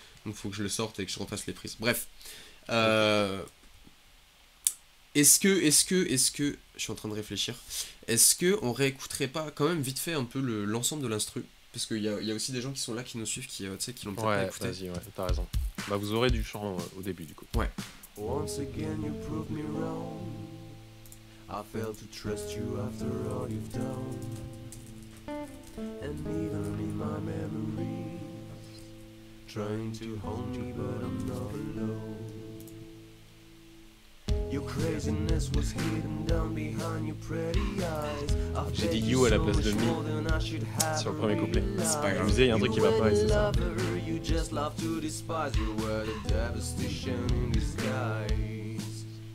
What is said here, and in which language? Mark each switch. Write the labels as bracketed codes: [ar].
[fr] Donc, faut que je le sorte et que je refasse les prises. Bref. Est-ce que... Je suis en train de réfléchir. Est-ce que on réécouterait pas quand même vite fait un peu l'ensemble de l'instru? Parce qu'il y a aussi des gens qui sont là qui nous suivent, qui tu sais, qui l'ont peut-être ouais, pas écouté. Vas-y, ouais, t'as raison. Bah vous aurez du chant au début du coup. Ouais. [en] Once again you proved me wrong. I failed to trust you after all you've done. And even in my memories. Trying to hold me but I'm not alone. Your craziness was hidden down behind your pretty eyes. [fr] J'ai dit you à la place de me sur le premier couplet. C'est pas grave. Il y a un truc qui va pas, c'est ça. [en] You were the devastation in disguise.